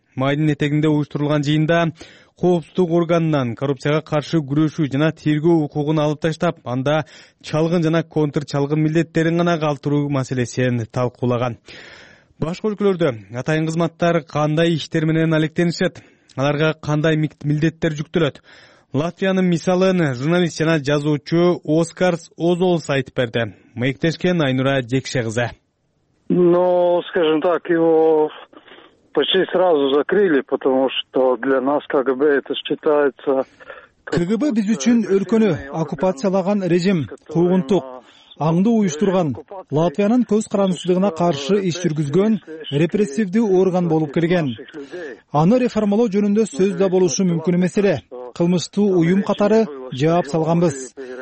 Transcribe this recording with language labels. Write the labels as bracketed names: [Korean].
[Kyrgyz] Майдын этегинде уюштурулган жыйында коопсуздук органынан коррупцияга каршы күрөшүү жана тергөө укугун алып таштап, анда чалгын жана контрчалгын милдеттерин гана калтыруу маселесин талкуулаган. Башка өлкөлөрдө атайын кызматтар кандай иштер менен алектенишет? Аларга кандай милдеттер жүктөлөт? Латвиянын мисалын журналист жана жазуучу Оскар Озолс айтып берди. Маектешкен Айнура Жекше кызы. [Russian] Ну, скажем так, его почти сразу закрыли, потому что для нас КГБ это считается... [Kyrgyz] КГБ биз үчүн өлкөнү оккупациялаган режим, куугунтук, аңды уюштурган, Латвиянын көз карандысыздыгына каршы иш жүргүзгөн репрессивдүү орган болуп келген. Аны реформалоо жөнүндө сөз да болушу мүмкүн эмес эле. Кылмыштуу уюм катары жооп салганбыз.